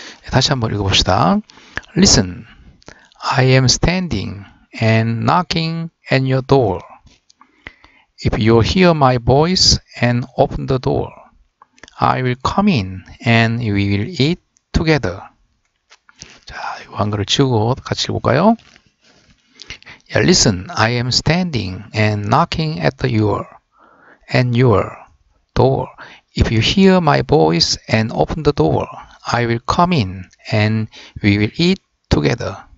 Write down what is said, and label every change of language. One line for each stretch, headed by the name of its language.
Korean: 다시 한번 읽어봅시다.
English: Listen, I am standing and knocking at your door. If you hear my voice and open the door, I will come in and we will eat together.
Korean: 자, 이거 한글을 치우고 같이 읽어볼까요?
English: Yeah, listen, I am standing and knocking at your door. If you hear my voice and open the door, I will come in and we will eat together.